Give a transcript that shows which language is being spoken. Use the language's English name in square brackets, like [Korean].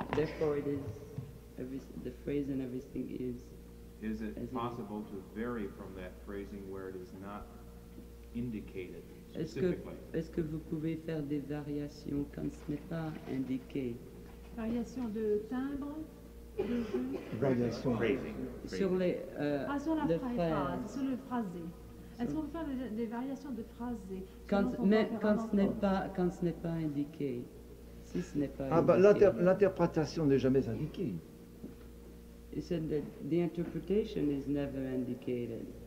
[English] Therefore, it is the phrase and everything is. Is it possible to vary from that phrasing where it is not indicated specifically? [French] Est-ce que vous pouvez faire des variations quand ce n'est pas indiqué? Variation de timbre, de jeu. Variation sur les sur la phrase, sur le phrasé. Est-ce qu'on peut faire des variations de phrasé? Quand ce n'est pas indiqué, si ce n'est pas ah indiqué. Bah l'interprétation n'est jamais indiquée. [English] He said that the interpretation is never indicated.